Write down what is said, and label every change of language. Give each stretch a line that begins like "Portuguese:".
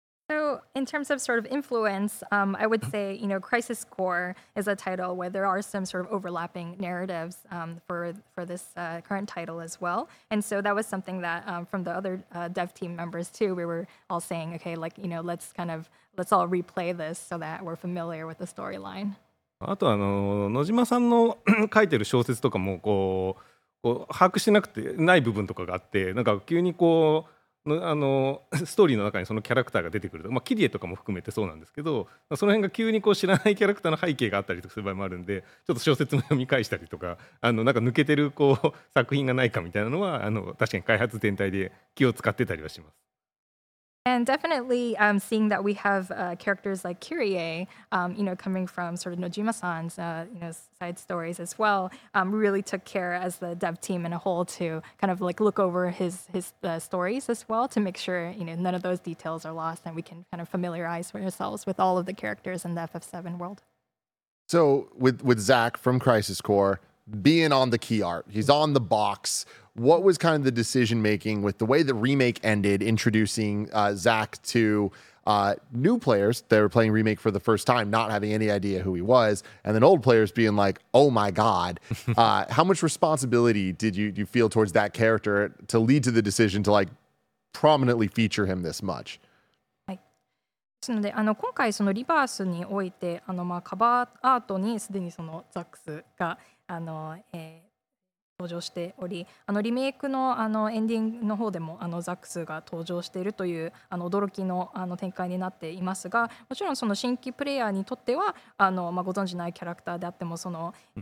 English: So in terms of sort of influence, I would say, you know, Crisis Core is a title where there are some sort of overlapping narratives for this current title as well. And so that was something that from the other dev team members too, we were all saying, okay, like, you know, let's all replay this so that we're familiar with the storyline.
Japanese: あとあの野島さんの書いてる小説とかもこう、こう把握してなくてない部分とかがあって、なんか急にこうあのストーリーの中にそのキャラクターが出てくると、まあ、キリエとかも含めてそうなんですけど、その辺が急にこう知らないキャラクターの背景があったりとかする場合もあるんで、ちょっと小説も読み返したりとか、あのなんか抜けてるこう作品がないかみたいなのはあの確かに開発全体で気を使ってたりはします。
English: And definitely seeing that we have characters like Kirie you know, coming from sort of Nojima-san's you know, side stories as well really took care as the dev team in a whole to kind of like look over his stories as well to make sure you know, none of those details are lost and we can kind of familiarize ourselves with all of the characters in the FF7 world. So with Zach from Crisis Core being on the key art, he's on the box. What was kind of the decision making with the way the remake ended, introducing Zach to new players that were playing Remake for the first time, not having any idea who he was, and then old players being like, oh my God. How much responsibility did you feel towards that character to lead to the decision to like prominently feature him this much?
Japanese: ですのであの今回そのリバースにおいてあの、まあ、カバーアートにすでにそのザックスがあの、登場しておりあのリメイク の, あのエンディングの方でもあのザックスが登場しているというあの驚き の, あの展開になっていますが、もちろんその新規プレイヤーにとってはあの、まあ、ご存じないキャラクターであってもその、